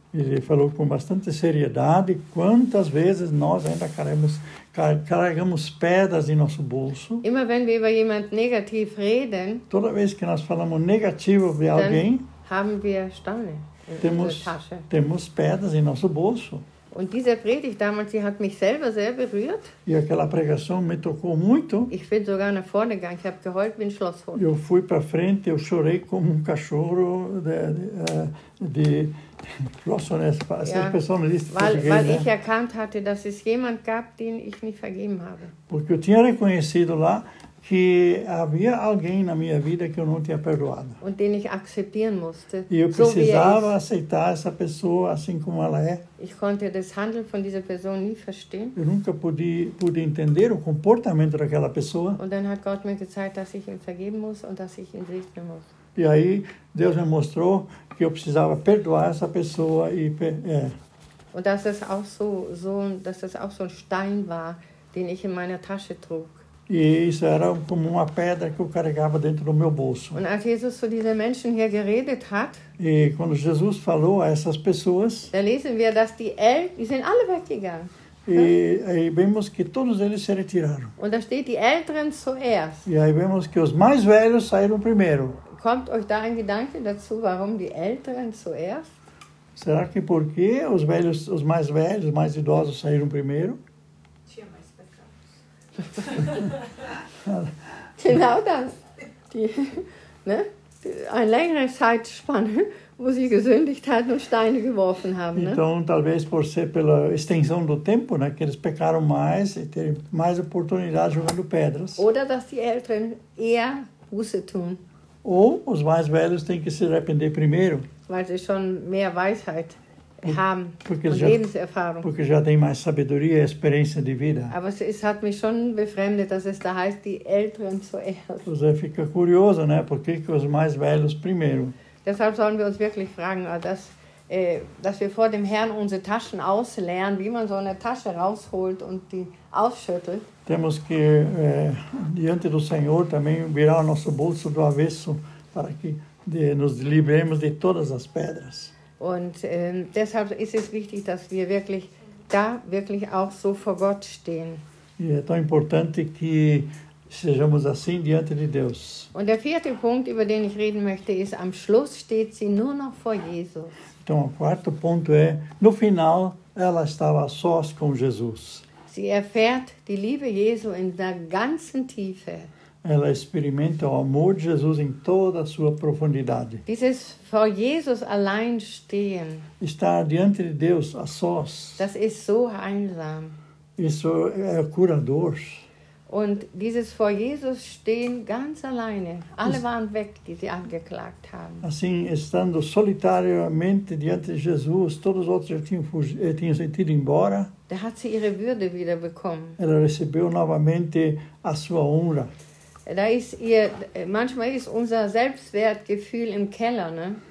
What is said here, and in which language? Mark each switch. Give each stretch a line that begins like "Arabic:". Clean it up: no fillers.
Portuguese: Ele falou com bastante seriedade quantas vezes nós ainda carregamos pedras em nosso bolso.
German: Immer wenn wir über jemand negativ reden,
Portuguese: toda vez que nós falamos negativo de alguém,
German: haben wir Steine in unserer Tasche.
Portuguese: Temos pedras em nosso bolso.
German: Und diese Predigt damals, sie hat mich selber sehr berührt.
Portuguese: E aquela pregação me tocou muito.
German: Ich bin sogar nach vorne gegangen, ich habe geheult wie ein Schlosshund.
Portuguese: Eu fui para frente, eu chorei como cachorro de Schlosshund. Essa pessoa me disse português,
German: weil ich erkannt hatte, dass es jemand gab, den ich nicht vergeben habe.
Portuguese: Porque eu tinha reconhecido lá que havia alguém na minha vida que eu não tinha perdoado.
German: Und den ich akzeptieren musste.
Portuguese: E eu precisava aceitar essa pessoa assim como ela é.
German: Ich konnte das Handeln von dieser Person nie verstehen.
Portuguese: Eu nunca pude entender o comportamento daquela pessoa.
German: Und dann hat Gott mir gezeigt, dass ich ihm vergeben muss und dass ich ihn segnen muss.
Portuguese: E aí Deus me mostrou que eu precisava perdoar essa pessoa e
German: Und dass es auch so ein Stein war, den ich in meiner Tasche trug.
Portuguese: E isso era como uma pedra que eu carregava dentro do meu bolso.
German: Und als Jesus zu diesen Menschen hier geredet hat,
Portuguese: e quando Jesus falou a essas pessoas,
German: da lesen wir, dass die sind alle weggegangen.
Portuguese: E aí vemos que todos eles se retiraram.
German: Und da steht die Älteren zuerst.
Portuguese: E aí vemos que os mais velhos saíram primeiro.
German: Kommt euch da ein Gedanke dazu, warum die Älteren zuerst?
Portuguese: Será que porque os mais idosos saíram primeiro?
German: Genau das. Eine längere Zeitspanne, wo sie gesündigt hatten und Steine geworfen haben.
Portuguese: Então, talvez por ser pela extensão do tempo, né, que eles pecaram mais e terem mais oportunidade jogando pedras.
German: Oder dass die Älteren eher Buße tun.
Portuguese: Ou os mais velhos têm que se arrepender primeiro.
German: Weil sie schon mehr Weisheit haben, Lebenserfahrung.
Portuguese: Porque já tem mais sabedoria e experiência de vida.
German: Aber es hat mich schon befremdet, dass es da heißt, die Älteren zuerst.
Portuguese: Você fica curioso, né? Por que que os mais velhos primeiro?
German: Deshalb sollen wir uns wirklich fragen, dass wir vor dem Herrn unsere Taschen auslernen, wie man so eine Tasche rausholt und die ausschüttelt.
Portuguese: Temos que, diante do Senhor, também virar o nosso bolso do avesso, para que nos livremos de todas as pedras.
German: Und deshalb ist es wichtig, dass wir wirklich da wirklich auch so vor Gott stehen.
Portuguese: E é tão importante que sejamos assim diante de Deus.
German: Und der vierte Punkt, über den ich reden möchte, ist, am Schluss steht sie nur noch vor Jesus.
Portuguese: Então, o quarto ponto é, no final, ela estava sós com Jesus.
German: Sie erfährt die Liebe Jesu in der ganzen Tiefe.
Portuguese: Ela experimenta o amor de Jesus em toda a sua profundidade.
German: Dieses vor Jesus allein stehen.
Portuguese: Estar diante de Deus a sós.
German: Das ist so einsam.
Portuguese: Isso é curador.
German: Und dieses vor Jesus stehen ganz alleine. Alle waren weg, die sie angeklagt haben.
Portuguese: Assim, estando solitariamente diante de Jesus, todos os outros já tinham sentido embora.
German: Da hat sie ihre Würde wieder bekommen.
Portuguese: Ela recebeu novamente a sua honra.
German: Da ist ihr, manchmal ist unser Selbstwertgefühl im Keller, ne?